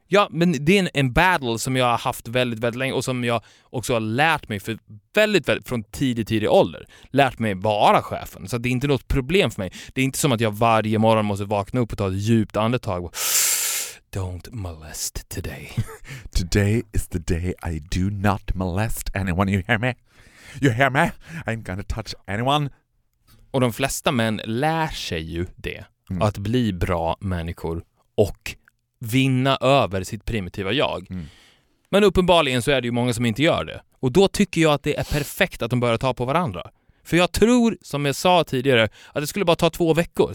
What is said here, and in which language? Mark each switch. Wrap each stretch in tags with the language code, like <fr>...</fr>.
<sv>Ja, men det är en battle som jag har haft väldigt, väldigt länge och som jag också har lärt mig för väldigt, väldigt, från tidig ålder. Lärt mig vara chefen. Så det är inte något problem för mig. Det är inte som att jag varje morgon måste vakna upp och ta ett djupt andetag.</sv> <en>Don't molest today. Today is the day I do not molest anyone, you hear me? You hear me? I ain't gonna touch anyone.</en> <sv>Och de flesta män lär sig ju det. Mm. Att bli bra människor och vinna över sitt primitiva jag. Mm. Men uppenbarligen så är det ju många som inte gör det. Och då tycker jag att det är perfekt att de börjar ta på varandra. För jag tror, som jag sa tidigare, att det skulle bara ta 2 veckor.</sv>